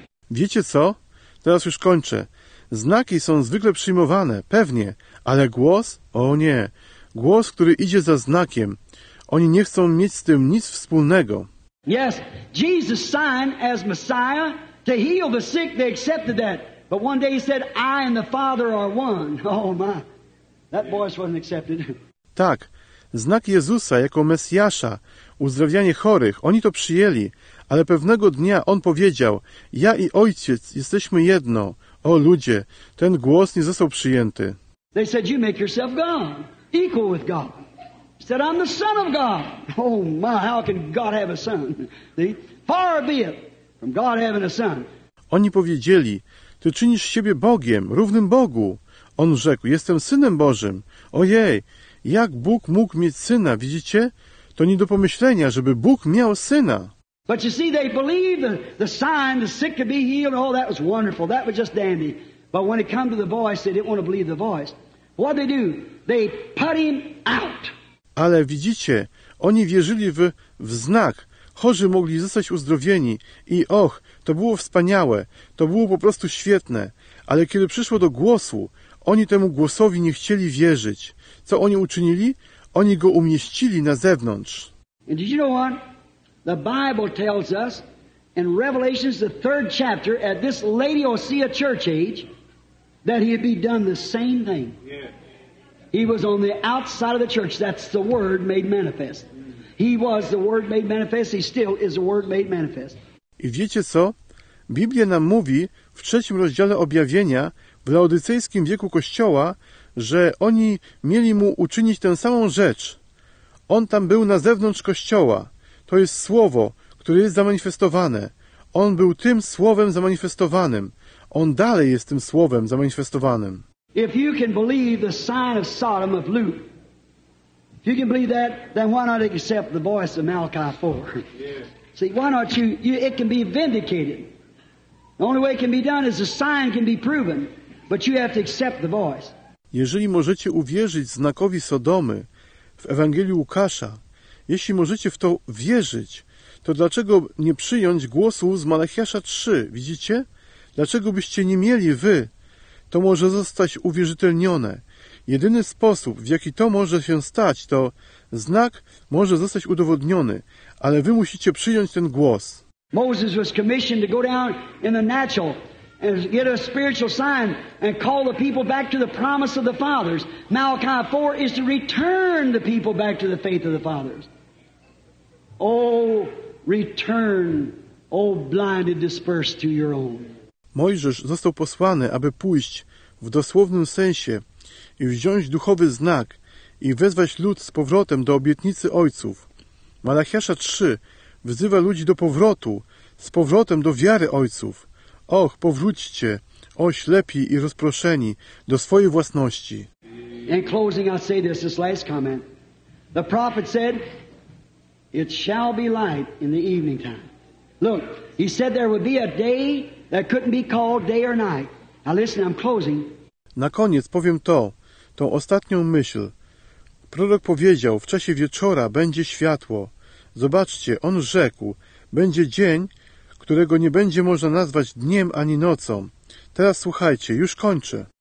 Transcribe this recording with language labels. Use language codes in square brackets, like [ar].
[pl] Wiecie co? Teraz już kończę. Znaki są zwykle przyjmowane, pewnie, ale głos? O nie. Głos, który idzie za znakiem. Oni nie chcą mieć z tym nic wspólnego. [en] Yes, Jesus signed as Messiah to heal the sick, they accepted that. But one day he said, I and the Father are one. Oh my, that voice wasn't accepted. [pl] Tak, znak Jezusa jako Mesjasza, uzdrawianie chorych, oni to przyjęli, ale pewnego dnia on powiedział, ja i Ojciec jesteśmy jedno. O ludzie, ten głos nie został przyjęty. [en] They said, you make yourself God, equal with God. He said, I'm the Son of God. Oh my, how can God have a son? See? Far be it from God having a son. [pl] Oni powiedzieli, ty czynisz siebie Bogiem, równym Bogu. On rzekł, jestem Synem Bożym. Ojej, jak Bóg mógł mieć Syna, widzicie? To nie do pomyślenia, żeby Bóg miał Syna. [en] But you see, they believed the sign, the sick could be healed, oh, that was wonderful, that was just dandy. But when it came to the voice, they didn't want to believe the voice. What they do? They put him out. [pl] Ale widzicie, oni wierzyli w znak. Chorzy mogli zostać uzdrowieni i och, to było wspaniałe, to było po prostu świetne. Ale kiedy przyszło do głosu, oni temu głosowi nie chcieli wierzyć. Co oni uczynili? Oni go umieścili na zewnątrz. [en] And did you know what? The Bible tells us in Revelations, the third chapter, at this Laodicea church age, that he had be done the same thing. He was on the outside of the church. That's the word made manifest. He was the word made manifest. He still is the word made manifest. [pl] I wiecie co? Biblia nam mówi w trzecim rozdziale objawienia w laodycejskim wieku Kościoła, że oni mieli mu uczynić tę samą rzecz. On tam był na zewnątrz Kościoła. To jest Słowo, które jest zamanifestowane. On był tym Słowem zamanifestowanym. On dalej jest tym Słowem zamanifestowanym. [en] If you can believe the sign of Sodom of Luke, if you can believe that, then why not accept the voice of Malachi 4? Yeah. See, why not you, it can be vindicated. The only way it can be done is the sign can be proven, but you have to accept the voice. [pl] Jeżeli możecie uwierzyć znakowi Sodomy w Ewangelii Łukasza, jeśli możecie w to wierzyć, to dlaczego nie przyjąć głosu z Malachiasza 3, widzicie? Dlaczego byście nie mieli wy? To może zostać uwierzytelnione. Jedyny sposób, w jaki to może się stać, to znak może zostać udowodniony, ale wy musicie przyjąć ten głos. [en] Moses was commissioned to go down in the natural and get a spiritual sign and call the people back to the promise of the fathers. Malachi 4 is to return the people back to the faith of the fathers. Oh, return, oh blind and dispersed to your own. [pl] Mojżesz został posłany, aby pójść w dosłownym sensie i wziąć duchowy znak i wezwać lud z powrotem do obietnicy ojców. Malachiasza 3 wzywa ludzi do powrotu, z powrotem do wiary ojców. Och, powróćcie, o ślepi i rozproszeni, do swojej własności. [en] In closing, I say this, this last comment. The prophet said, it shall be light in the evening time. Look, he said there would be a day that couldn't be called day or night. Now listen, I'm closing. [pl] Na koniec powiem to, tą ostatnią myśl. Prorok powiedział, w czasie wieczora będzie światło. Zobaczcie, on rzekł, będzie dzień, którego nie będzie można nazwać dniem ani nocą. Teraz słuchajcie, już kończę.